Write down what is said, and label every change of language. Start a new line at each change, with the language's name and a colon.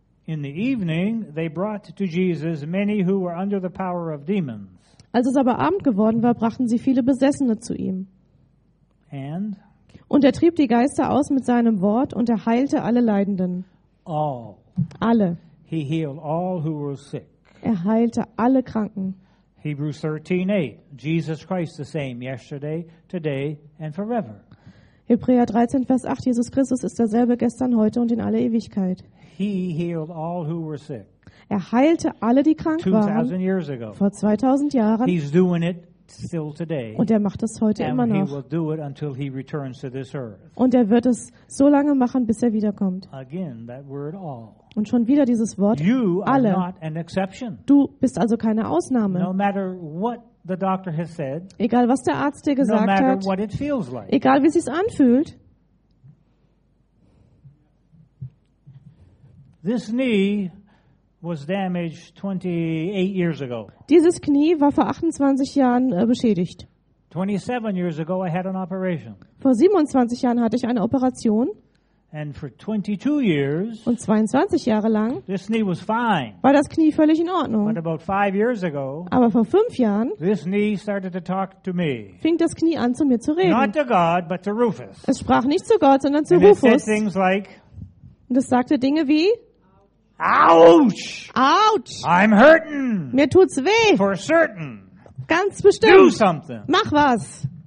English: In the evening they brought to Jesus many who were under the power of demons.
German: Als es aber Abend geworden war, brachten sie viele Besessene zu ihm.
English: And?
German: Und er trieb die Geister aus mit seinem Wort und er heilte alle Leidenden.
English: All.
German: Alle.
English: He healed all who were sick.
German: Er heilte alle Kranken.
English: Hebrews 13, 8. Jesus Christ the same yesterday, today and forever.
German: Hebräer 13, Vers 8. Jesus Christus ist derselbe gestern, heute und in alle Ewigkeit.
English: He healed all who were sick.
German: Er heilte alle, die krank
English: 2000
German: waren.
English: Years ago.
German: Vor 2000 Jahren.
English: He's doing it still today.
German: Und er macht es heute
English: and
German: immer noch.
English: He will do it until he returns to this earth.
German: Und er wird es so lange machen, bis er wiederkommt.
English: Again, that word all.
German: Und schon wieder dieses Wort,
English: you
German: alle.
English: Are not an exception.
German: Du bist also keine Ausnahme.
English: No matter what the doctor has said,
German: egal, was der Arzt dir gesagt
English: no matter
German: hat,
English: what it feels like,
German: egal, wie es sich anfühlt.
English: This knee was damaged 28 years ago.
German: Dieses Knie war vor 28 Jahren beschädigt.
English: 27 years ago I had an operation.
German: Vor 27 Jahren hatte ich eine Operation.
English: And for 22 years,
German: und 22 Jahre lang,
English: this knee was fine.
German: War das Knie völlig in Ordnung.
English: But about 5 years ago,
German: aber vor 5 Jahren,
English: this knee started to talk to me.
German: Fing das Knie an, zu mir zu reden.
English: Not to God, but to Rufus.
German: Es sprach nicht zu Gott, sondern zu
English: and
German: Rufus.
English: It said things like,
German: und es sagte Dinge wie,
English: ouch! Ouch! I'm hurting.
German: Mir tut's weh.
English: For certain.
German: Ganz bestimmt.
English: Do something.
German: Mach was.